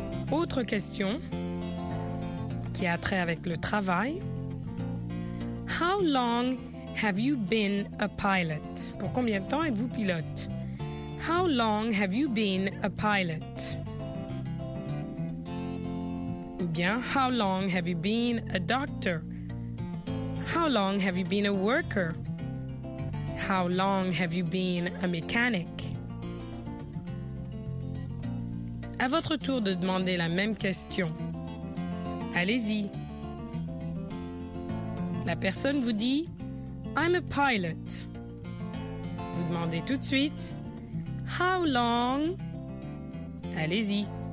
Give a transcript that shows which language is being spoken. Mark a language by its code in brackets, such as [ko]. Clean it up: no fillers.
[fr] Autre question qui a trait avec le travail. [en] How long have you been a pilot? [fr] Pour combien de temps êtes-vous pilote? [en] How long have you been a pilot? [fr] Ou bien, [en] how long have you been a doctor? How long have you been a worker? How long have you been a mechanic? [fr] À votre tour de demander la même question. Allez-y. La personne vous dit, [en] I'm a pilot. [fr] Vous demandez tout de suite, [en] how long? [fr] Allez-y.